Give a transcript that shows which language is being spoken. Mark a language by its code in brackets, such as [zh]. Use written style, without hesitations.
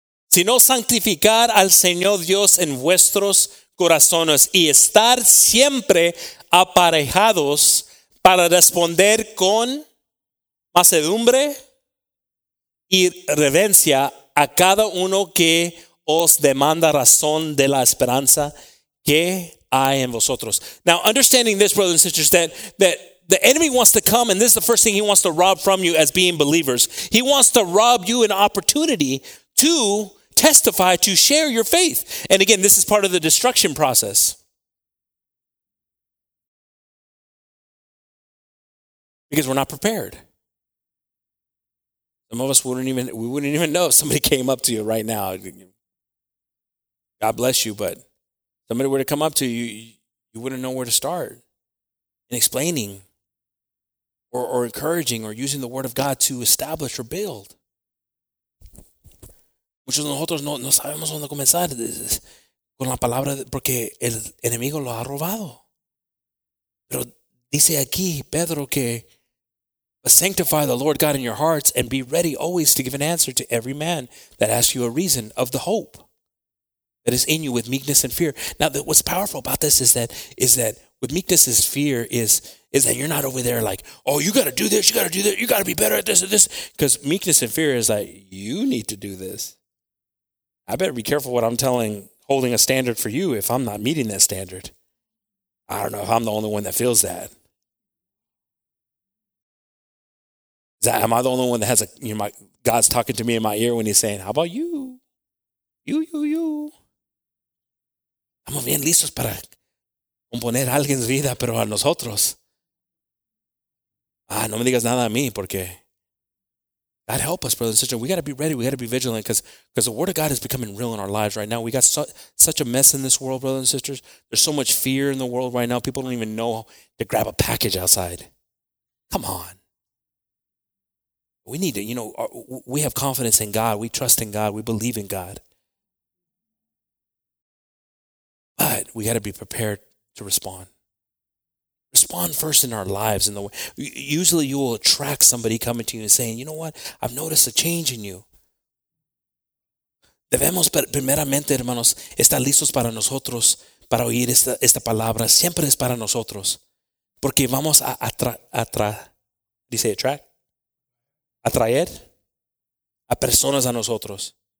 [es] Si no santificar al Señor Dios en vuestros corazones y estar siempre aparejados para responder con mansedumbre y reverencia a cada uno que os demanda razón de la esperanza que hay en vosotros. [en] Now, understanding this, brothers and sisters, that the enemy wants to come, and this is the first thing he wants to rob from you as being believers. He wants to rob you an opportunity to testify, to share your faith. And again, this is part of the destruction process. Because we're not prepared. Some of us wouldn't even know if somebody came up to you right now. God bless you, but somebody were to come up to you, you wouldn't know where to start in explaining or encouraging or using the Word of God to establish or build. [es] Muchos de nosotros no sabemos dónde comenzar con la palabra porque el enemigo lo ha robado. Pero dice aquí Pedro que [en] But sanctify the Lord God in your hearts and be ready always to give an answer to every man that asks you a reason of the hope that is in you with meekness and fear. Now, what's powerful about this is that with meekness is fear is that you're not over there like, oh, you got to do this, you got to do that, you got to be better at this and this. Because meekness and fear is like, you need to do this. I better be careful what I'm telling, holding a standard for you if I'm not meeting that standard. I don't know if I'm the only one that feels that. Am I the only one that has God's talking to me in my ear when he's saying, how about you? You. [es] Estamos bien listos para componer alguien's vida, pero a nosotros. No me digas nada a mí, porque [en] God help us, brothers and sisters. We got to be ready. We got to be vigilant because the word of God is becoming real in our lives right now. We got such a mess in this world, brothers and sisters. There's so much fear in the world right now. People don't even know to grab a package outside. Come on. We need to, we have confidence in God. We trust in God. We believe in God. But we got to be prepared to respond. Respond first in our lives. Usually you will attract somebody coming to you and saying, you know what? I've noticed a change in you. [es] Debemos primeramente, hermanos, estar listos para nosotros para oír esta palabra. Siempre es para nosotros. Porque vamos a atraer a personas a nosotros.